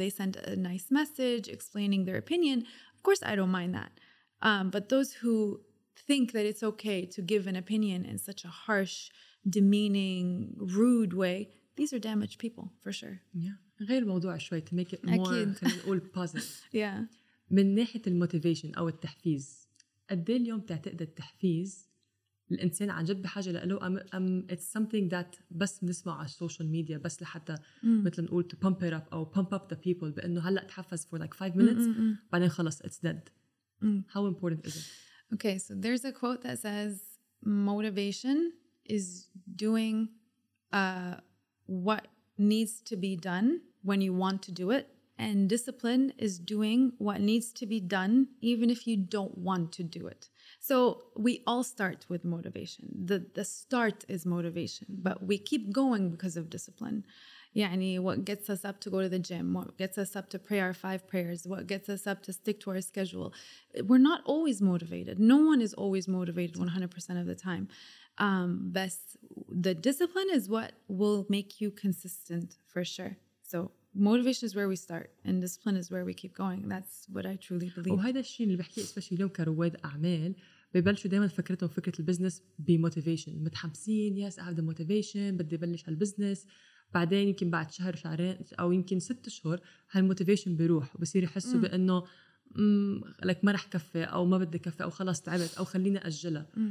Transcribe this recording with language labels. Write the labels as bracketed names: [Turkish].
[English] They send a nice message explaining their opinion. Of course, I don't mind that. But those who think that it's okay to give an opinion in such a harsh, demeaning, rude way, these are damaged people, for sure. Yeah. [Arabic] غير موضوع شوي, [English] to make it more, [Arabic] خلينا نقول, [English] positive. Yeah. [Arabic] من ناحية الموتيفيشن أو التحفيز, قدي اليوم تعتقد التحفيز الإنسان عن جد بحاجة لقلو, أم [English] it's something that [Arabic] بس نسمع على السوشيال ميديا بس لحتى مثل نقول [English] to pump it up [Arabic] أو [English] pump up the people [Arabic] بأنه هلأ تحفز [English] for like 5 minutes [Arabic] بعدين خلص [English] it's dead. How important is it? Okay, so there's a quote that says motivation is doing what needs to be done when you want to do it, and discipline is doing what needs to be done even if you don't want to do it. So we all start with motivation. The start is motivation, but we keep going because of discipline. [Arabic] يعني [English] what gets us up to go to the gym, what gets us up to pray our 5 prayers, what gets us up to stick to our schedule. We're not always motivated. No one is always motivated 100% of the time. But the discipline is what will make you consistent for sure. So motivation is where we start and discipline is where we keep going. That's what I truly believe. [Arabic] وهذا الشيء اللي بحكي especially اليوم كرواد أعمال ببلشوا دائما فكرتهم فكرة البزنس بموتيفيشن. متحمسين, [English] yes, I have the motivation, [Arabic] بدي بلش هالبزنس. بعدين يمكن بعد شهر شهرين أو يمكن 6 شهور هالموتيفيشن بيروح وبصير يحسوا بأنه لك ما رح كفي أو ما بدي كفي أو خلاص تعبت أو خلينا أجلها.